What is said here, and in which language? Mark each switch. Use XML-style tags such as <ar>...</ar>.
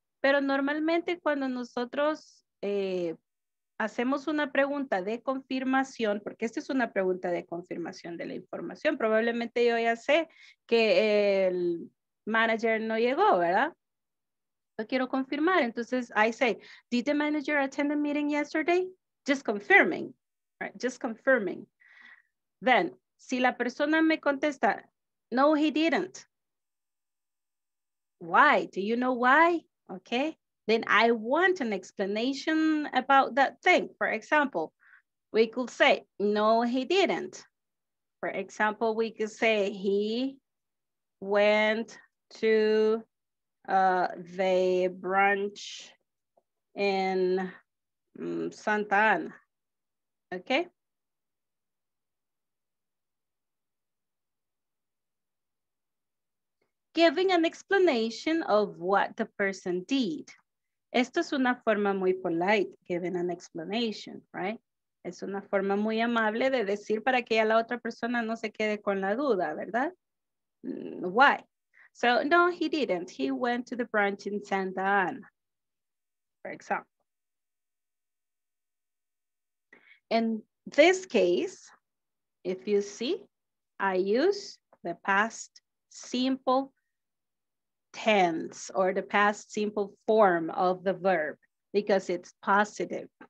<es>Pero normalmente cuando nosotros hacemos una pregunta de confirmación, porque esta es una pregunta de confirmación de la información, probablemente yo ya sé que el manager no llegó, ¿verdad? Yo quiero confirmar, entonces</es> <en>I say, did the manager attend the meeting yesterday? Just confirming, right? Just confirming. Then,</en> <es>si la persona me contesta,</es> <en>no, he didn't. Why? Do you know why? Okay. Then I want an explanation about that thing. For example, we could say, no, he didn't. For example, we could say, he went to the brunch in Santa Ana. Okay? Giving an explanation of what the person did.</en> <es>Esto es una forma muy polite,</es> <en>giving an explanation, right?</en> <es>Es una forma muy amable de decir para que ya la otra persona no se quede con la duda, ¿verdad? Why?</es> <en>So no, he didn't. He went to the branch in Santa Ana, for example. In this case, if you see, I use the past simple tense or the past simple form of the verb because it's positive.</en>